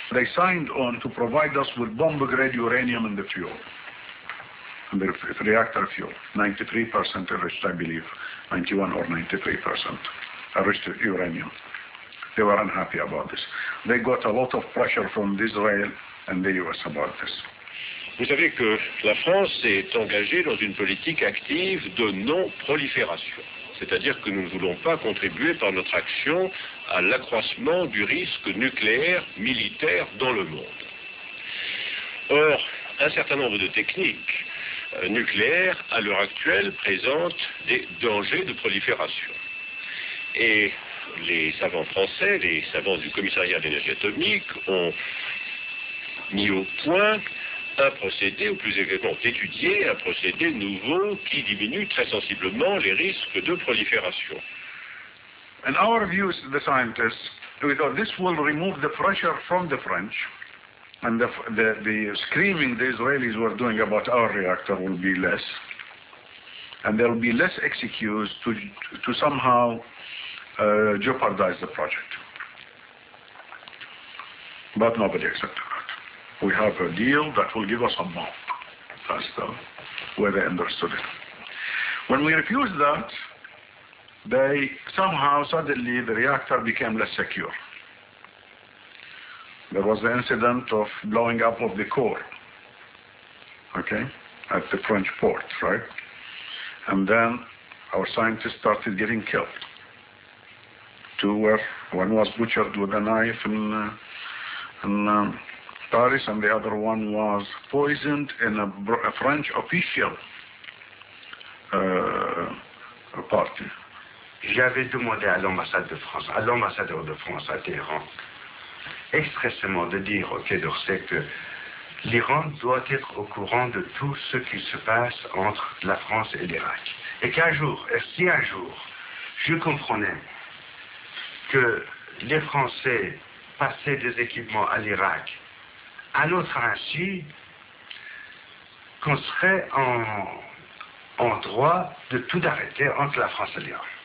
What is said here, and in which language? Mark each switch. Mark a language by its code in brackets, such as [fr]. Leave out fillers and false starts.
[en] They signed on to provide us with bomb-grade uranium in the fuel, in the reactor fuel, 93% enriched, I believe, 91 or 93% enriched uranium. They were unhappy about this. They got a lot of pressure from Israel and the U.S. about this. [fr] Vous savez que la France est engagée dans une politique active de non-prolifération. C'est-à-dire que nous ne voulons pas contribuer par notre action à l'accroissement du risque nucléaire militaire dans le monde. Or, un certain nombre de techniques nucléaires, à l'heure actuelle, présentent des dangers de prolifération. Et les savants français, les savants du Commissariat à l'énergie atomique, ont mis au point un procédé, ou plus exactement étudié, un procédé nouveau qui diminue très sensiblement les risques de prolifération. [en] In our view, the scientists, we thought this will remove the pressure from the French, and the screaming the Israelis were doing about our reactor will be less, and there will be less excuse to somehow jeopardize the project. But nobody accepted. We have a deal that will give us a bomb. That's the way they understood it. When we refused that, they somehow, suddenly, the reactor became less secure. There was the incident of blowing up of the core, okay, at the French port, right? And then our scientists started getting killed. One was butchered with a knife Paris, and the other one was poisoned in a French official party. [fr] J'avais demandé à l'ambassade de France, à l'ambassadeur de France à Téhéran, expressément de dire au Quai d'Orsay que l'Iran doit être au courant de tout ce qui se passe entre la France et l'Irak. Et qu'un jour, et si un jour, je comprenais que les Français passaient des équipements à l'Irak à notre insu, qu'on serait en droit de tout arrêter entre la France et l'Iran.